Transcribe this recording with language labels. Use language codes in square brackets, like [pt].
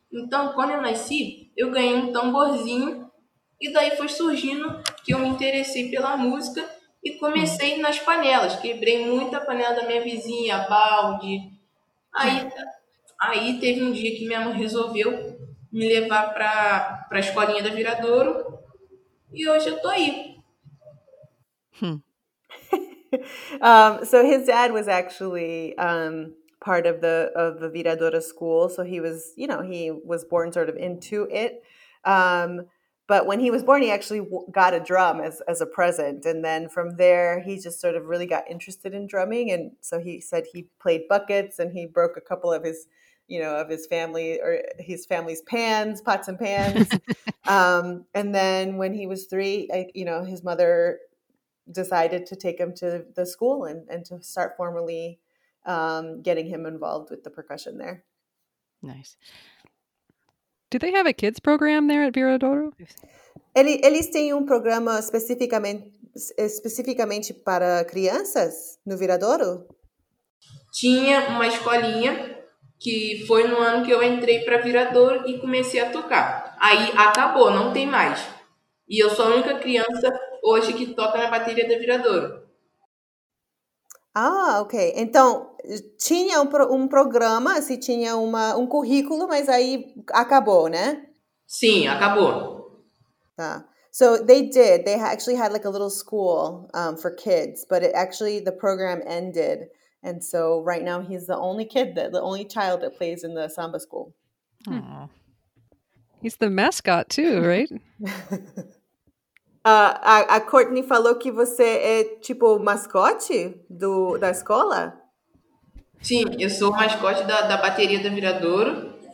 [pt] Então, quando eu nasci, eu ganhei um tamborzinho. E daí foi surgindo que eu me interessei pela música e comecei nas panelas. Quebrei muita panela da minha vizinha, balde. Aí teve um dia que minha mãe resolveu me levar para a escolinha da Viradouro. E hoje eu tô aí. [en] So his dad was actually part of the Viradouro school. So he was, you know, he was born sort of into it. But when he was born, he actually got a drum as a present. And then from there, he just sort of really got interested in drumming. And so he said he played buckets and he broke a couple of his, you know, of his family or his family's pans, pots and pans. And then when he was 3, his mother decided to take him to the school and to start formally getting him involved with the percussion there. Nice. Do they have a kids program there at Viradouro? [pt] Eles têm programa especificamente para crianças no Viradouro? Tinha uma escolinha que foi no ano que eu entrei para Viradouro e comecei a tocar. Aí acabou, não tem mais. E eu sou a única criança hoje que toca na bateria da Viradouro. Ah, ok. Então, tinha um programa, assim, tinha um currículo, mas aí acabou, né? Sim, acabou. [en] Tá. So, they did. They actually had, like, a little school for kids, but it actually, the program ended. And so, right now, he's the only kid, the only child that plays in the samba school. Aww. He's the mascot, too, right? [pt] A Courtney falou que você é tipo mascote da escola? Sim, eu sou o mascote da bateria da Viradouro.